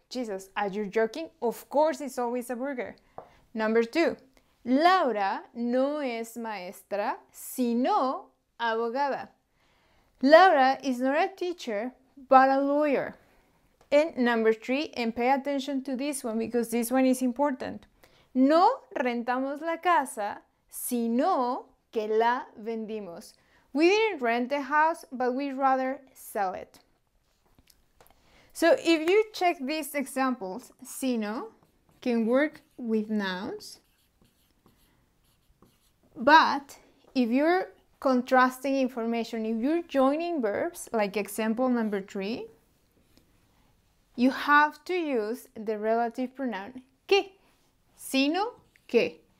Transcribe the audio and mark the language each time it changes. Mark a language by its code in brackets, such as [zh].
[en] Jesus, are you joking? Of course, it's always a burger. Number two, [es] Laura no es maestra, sino abogada. [en] Laura is not a teacher, but a lawyer. And number three, and pay attention to this one because this one is important. [es] No rentamos la casa, sino que la vendimos. [en] We didn't rent the house, but we'd rather sell it. So if you check these examples, sino can work with nouns. But if you're contrasting information, if you're joining verbs, like example number three, you have to use the relative pronoun que, sino que.